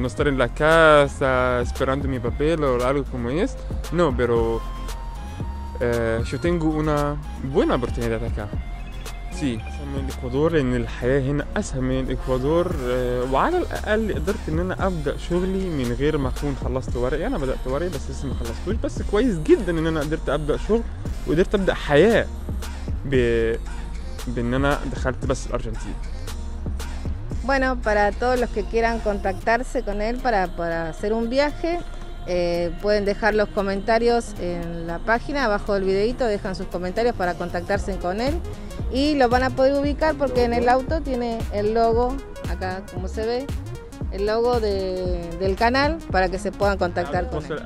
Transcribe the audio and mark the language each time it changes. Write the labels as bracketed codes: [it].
[es] No estar en la casa esperando mi papel o algo como es, no, pero... yo tengo una buena oportunidad acá. Sí, en Ecuador, en el haya [ar] هنا اسهل من Ecuador وعلى الاقل قدرت ان انا ابدا شغلي من غير ما اكون خلصت ورقي انا بدات ورقي بس لسه ما خلصتوش بس كويس جدا ان انا قدرت ابدا شغل وقدرت ابدا حياه بان انا دخلت بس الارجنتين [es] Bueno, para todos los que quieran contactarse con él para hacer un viaje pueden dejar los comentarios en la página abajo del videito, dejan sus comentarios para contactarse con él y lo van a poder ubicar porque en el auto tiene el logo, acá como se ve, el logo del canal para que se puedan contactar con él.